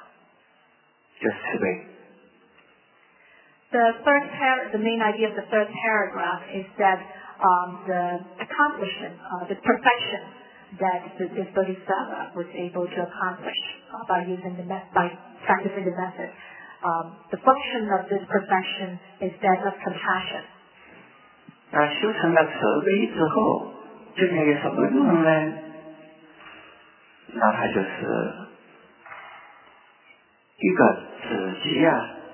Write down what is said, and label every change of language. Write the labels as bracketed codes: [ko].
[zh] 第三段呢，他修成了无私圆满，那有了什么功能呢？它的功能就是慈悲。 [en] The main idea of the third paragraph is that the accomplishment, the perfection that this Bodhisattva was able to accomplish by practicing the method, the function of this perfection is that of compassion. [zh] 修成了慈悲之后，究竟有什么用呢？那它就是一个止息啊。